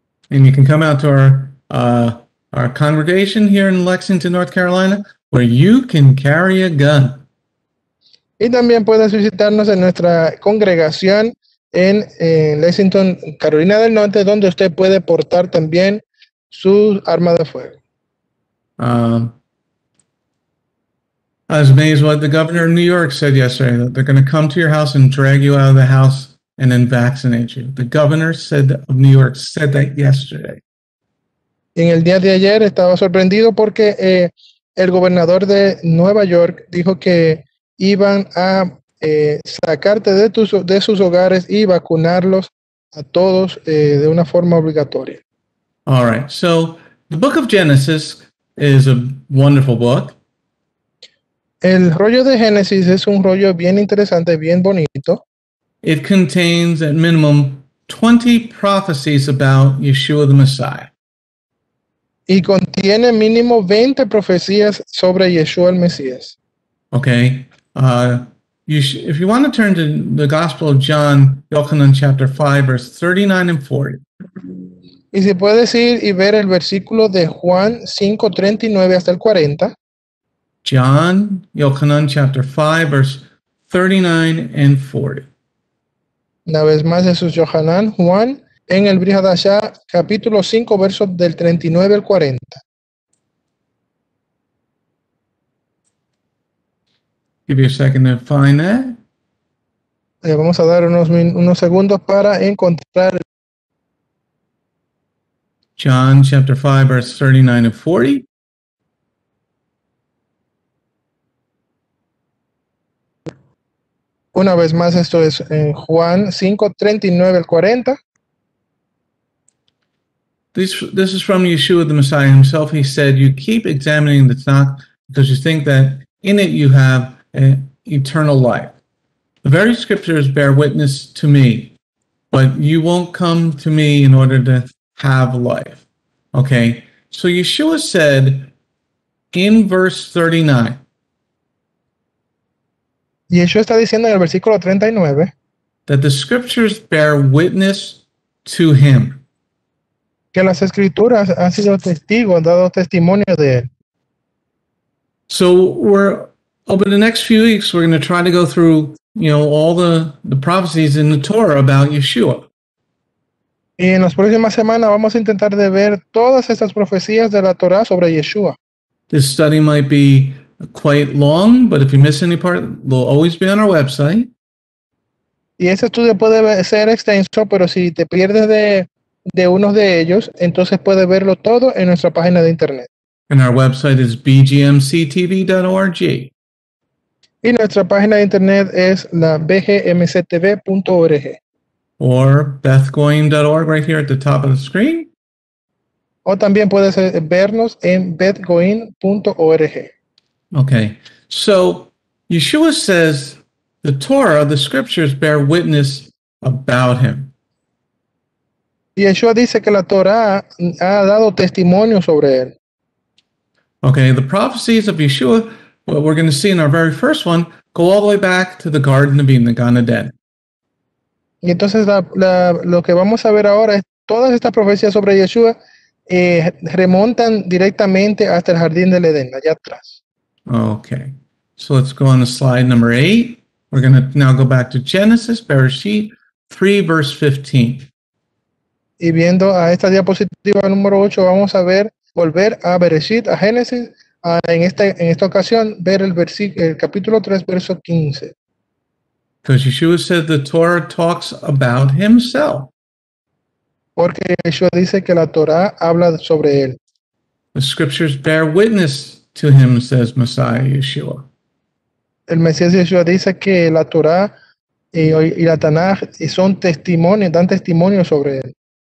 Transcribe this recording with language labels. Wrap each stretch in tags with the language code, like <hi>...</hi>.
<en>And you can come out to our congregation here in Lexington, North Carolina, where you can carry a gun.</en> <es>Y también puedes visitarnos en nuestra congregación en Lexington, Carolina del Norte, donde usted puede portar también su arma de fuego.</es> <en>I was amazed what the governor of New York said yesterday, that they're going to come to your house and drag you out of the house and then vaccinate you. The governor said that, of New York said that yesterday.</en> <es>En el día de ayer estaba sorprendido porque el gobernador de Nueva York dijo que iban a sacarte de sus hogares y vacunarlos a todos de una forma obligatoria.</es> <en>All right, so the book of Genesis is a wonderful book.</en> <es>El rollo de Génesis es un rollo bien interesante, bien bonito.</es> <en>It contains at minimum 20 prophecies about Yeshua the Messiah.</en> <es>Y contiene mínimo 20 profecías sobre Yeshua el Mesías.</es> <en>Okay. If you want to turn to the Gospel of John, Yohanan chapter 5, verse 39 and 40.</en> <es>Y si puedes ir y ver el versículo de Juan 5, 39 hasta el 40.</es> <en>John, Yohanan chapter 5, verse 39 and 40.</en> <es>Una vez más, Jesús Yohanan, Juan, en el Brihad Asha, capítulo 5, versos del 39 al 40.</es> <en>Give you a second to find that.</en> <es>Vamos a dar unos segundos para encontrar.</es> <en>John, chapter 5, verse 39 and 40.</en> <es>Una vez más, esto es en Juan 5, 39 al 40.</es> <en>This is from Yeshua the Messiah himself. He said, you keep examining the Tanakh because you think that in it you have an eternal life. The very scriptures bear witness to me, but you won't come to me in order to have life. Okay, so Yeshua said in verse 39,</en> <es>Yeshua está diciendo en el versículo 39</es> <en>that the scriptures bear witness to him.</en> <es>Que las escrituras han sido testigos, han dado testimonio de él.</es> <en>So we're over the next few weeks we're going to try to go through, you know, all the prophecies in the Torah about Yeshua.</en> <es>Y en las próximas semanas vamos a intentar de ver todas estas profecías de la Torah sobre Yeshua.</es> <en>This study might be quite long, but if you miss any part, they'll always be on our website.</en> <es>Y ese estudio puede ser extenso, pero si te pierdes de unos de ellos, entonces puedes verlo todo en nuestra página de internet.</es> <en>And our website is bgmctv.org.</en> <es>Y nuestra página de internet es la bgmctv.org.</es> <en>Or bethgoyim.org right here at the top of the screen.</en> <es>O también puedes vernos en betgoin.org.</es> <en>Okay. So Yeshua says the Torah, the scriptures bear witness about him.</en> <es>Yeshua dice que la Torah ha dado testimonio sobre él.</es> <en>Okay, the prophecies of Yeshua, what we're going to see in our very first one, go all the way back to the Garden of Eden, the Gan Eden.</en> <es>Y entonces lo que vamos a ver ahora es todas estas profecías sobre Yeshua remontan directamente hasta el Jardín del Edén, allá atrás.</es> <en>Okay, so let's go on to slide number 8. We're going to now go back to Genesis, Bereshit 3, verse 15.</en> <es>Y viendo a esta diapositiva número 8, vamos a ver, volver a Bereshit, a Génesis, en esta ocasión, ver el capítulo 3, verso 15.</es> <en>Because Yeshua said the Torah talks about himself.</en> <es>Porque Yeshua dice que la Torah habla sobre él.</es> <en>The scriptures bear witness to him, says Messiah Yeshua.</en> <es>El Mesías Yeshua dice que la Torah y la Tanaj son testimonios, dan testimonio sobre él.</es>